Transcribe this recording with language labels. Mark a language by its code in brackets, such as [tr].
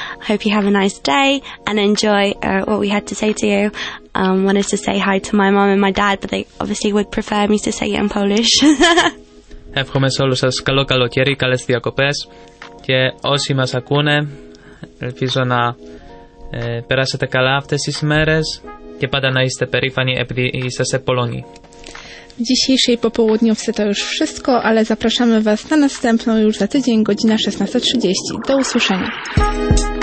[en] I hope you have a nice day and enjoy what we had to say to you. Wanted to say hi to my mom and my dad, but they obviously would prefer me to say it in Polish. [el] Εύχομαι σε όλους σας καλό καλοκαίρι, καλές διακοπές και όσοι μας ακούνε, ελπίζω να περάσετε καλά αυτές τις μέρες και πάντα να είστε περήφανοι επειδή είστε σε Πολωνή. [pl] W dzisiejszej popołudniówce to już wszystko, ale zapraszamy Was na następną już za tydzień, godzina 16:30. Do usłyszenia.